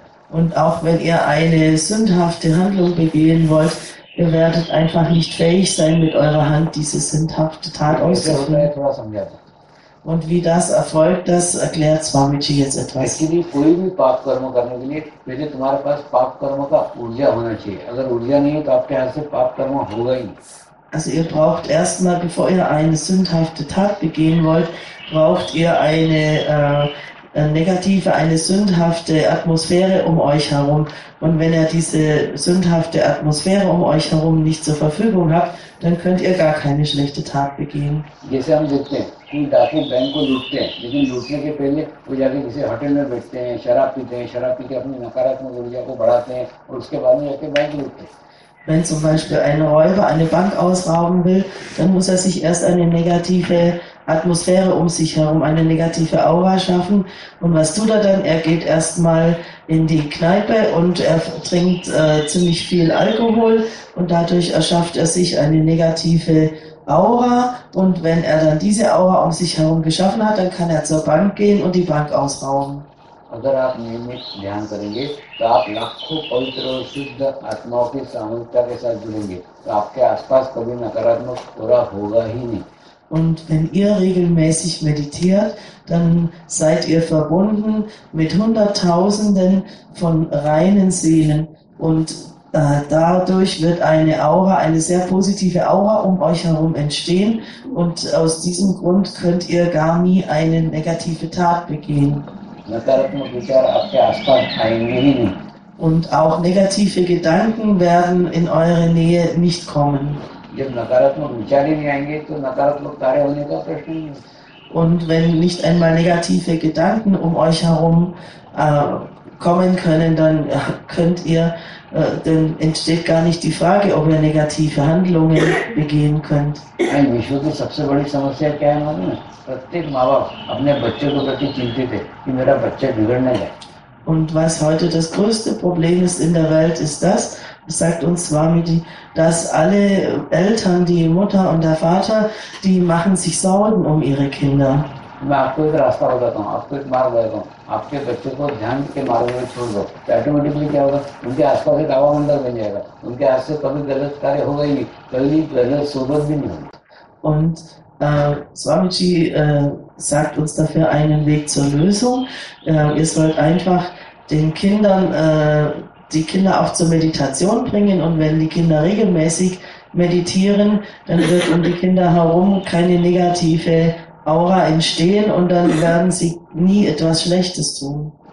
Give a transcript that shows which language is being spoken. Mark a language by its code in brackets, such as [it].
[de] Und auch wenn ihr eine sündhafte Handlung begehen wollt, ihr werdet einfach nicht fähig sein, mit eurer Hand diese sündhafte Tat auszuführen. Und wie das erfolgt, das erklärt Swamiji jetzt etwas. [hi] Actually, कोई भी पाप कर्म करने के लिए पहले तुम्हारे पास पाप कर्म का ऊर्जा होना चाहिए। अगर ऊर्जा नहीं है तो आपके हाथ से पाप कर्म होगा ही। [de] Also ihr braucht erstmal, bevor ihr eine sündhafte Tat begehen wollt, braucht ihr eine negative, eine sündhafte Atmosphäre um euch herum. Und wenn ihr diese sündhafte Atmosphäre um euch herum nicht zur Verfügung habt, dann könnt ihr gar keine schlechte Tat begehen. [hi] जैसे हम देखते हैं कि डाकू bank को लूटते हैं, लेकिन लूटने के पहले वो जाके किसी होटल में बैठते हैं, शराब पीते हैं, शराब पी के अपनी नकारात्मक ऊर्जा को बढ़ाते हैं और उसके बाद में जाके बैंक लूटते हैं। [de] Wenn zum Beispiel ein Räuber eine Bank ausrauben will, dann muss er sich erst eine negative Atmosphäre um sich herum, eine negative Aura schaffen. Und was tut er dann? Er geht erstmal in die Kneipe und er trinkt ziemlich viel Alkohol und dadurch erschafft er sich eine negative Aura. Und wenn er dann diese Aura um sich herum geschaffen hat, dann kann er zur Bank gehen und die Bank ausrauben. [hi] अगर आप नियमित ध्यान करेंगे तो आप लाखों पवित्र और शुद्ध आत्माओं के सामूहिकता के साथ जुड़ेंगे तो आपके आसपास कभी नकारात्मक पूरा होगा ही नहीं। [de] Und wenn ihr regelmäßig meditiert, dann seid ihr verbunden mit Hunderttausenden von reinen Seelen und dadurch wird eine Aura, eine sehr positive Aura um euch herum entstehen und aus diesem Grund könnt ihr gar nie eine negative Tat begehen. [hi] नकारात्मक विचार आपके आसपास आएंगे ही नहीं। [de] Und auch negative Gedanken werden in eure Nähe nicht kommen. [hi] जब नकारात्मक विचार ही नहीं आएंगे तो नकारात्मक कार्य होने का प्रश्न ही नहीं। [de] Und wenn nicht einmal negative Gedanken um euch herum kommen können, dann könnt ihr, dann entsteht gar nicht die Frage, ob ihr negative Handlungen begehen könnt. [hi] Ein विश्व की सबसे बड़ी समस्या क्या है मालूम है? प्रत्येक माँ बाप अपने बच्चों को प्रति चिंतित है कि मेरा बच्चा बिगड़ ना जाए। [de] Und was heute das größte Problem ist in der Welt, ist das, sagt uns Swamiji, dass alle Eltern, die Mutter und der Vater, die machen sich Sorgen um ihre Kinder. [hi] मैं आपको एक रास्ता बताता हूँ, आपको एक मार्ग बताता हूँ, आपके बच्चों को ध्यान के मार्ग में छोड़ दो, ऑटोमेटिकली क्या होगा, उनके आसपास एक हवा मंडल बन जाएगा, उनके हाथ से कभी गलत कार्य होगा ही नहीं, कभी गलत सोबत भी नहीं होगी। [de] Und Swamiji sagt uns dafür einen Weg zur Lösung. Ihr sollt einfach den Kindern, die Kinder auch zur Meditation bringen und wenn die Kinder regelmäßig meditieren, dann wird um die Kinder herum keine negative Aura entstehen und dann werden sie nie etwas Schlechtes tun.